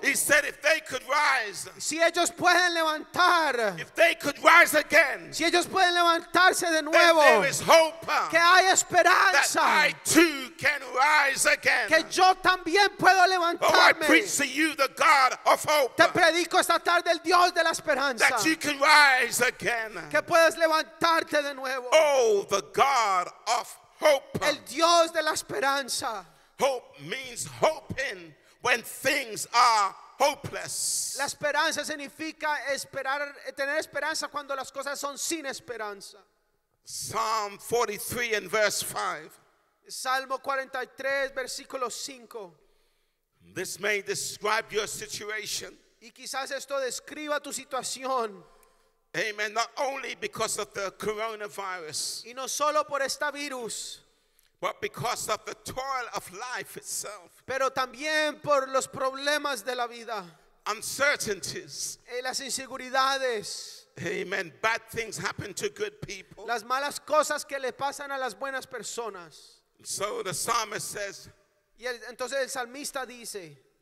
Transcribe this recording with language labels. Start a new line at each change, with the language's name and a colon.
English: He said if they could rise.
Spanish: Si ellos pueden levantar.
English: If they could rise again.
Spanish: Si ellos pueden levantarse de nuevo.
English: There is hope.
Spanish: Que hay esperanza.
English: That I too can rise again.
Spanish: Que yo también puedo levantarme.
English: Oh, I preach to you the God of hope.
Spanish: Te predico esta tarde el Dios de la esperanza.
English: That you can rise again.
Spanish: Que puedes levantarte de nuevo.
English: Oh, the God of hope.
Spanish: El Dios de la esperanza.
English: Hope means hoping when things are hopeless.
Spanish: La esperanza significa esperar, tener esperanza cuando las cosas son sin esperanza.
English: Psalm 43 and verse 5.
Spanish: Salmo 43, versículo 5.
English: This may describe your situation.
Spanish: Y quizás esto describa tu situación.
English: Amen. Not only because of the coronavirus.
Spanish: Y no solo por esta virus.
English: But because of the toil of life itself.
Spanish: Pero también por los problemas de la vida.
English: Uncertainties.
Spanish: Las inseguridades.
English: Amen. Bad things happen to good people.
Spanish: Las malas cosas que le pasan a las buenas personas.
English: So the psalmist says.
Spanish: Y entonces el salmista dice.